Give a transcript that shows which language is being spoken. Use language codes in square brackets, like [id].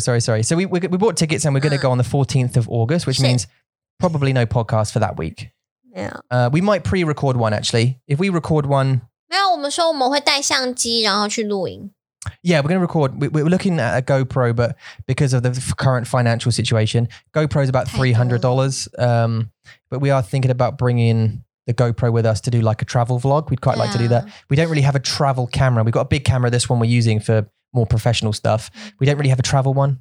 [en] So we bought tickets and we're going to go on the 14th of August, which means probably no podcast for that week. Yeah. We might pre-record one, actually. If we record one... [zh] 没有,我们说我们会带相机然后去录影。 [en] Yeah, we're going to record. We're looking at a GoPro, but because of the current financial situation, GoPro is about $300. But we are thinking about bringing the GoPro with us to do like a travel vlog. We'd quite like to do that. We don't really have a travel camera. We've got a big camera, this one we're using for more professional stuff. We don't really have a travel one.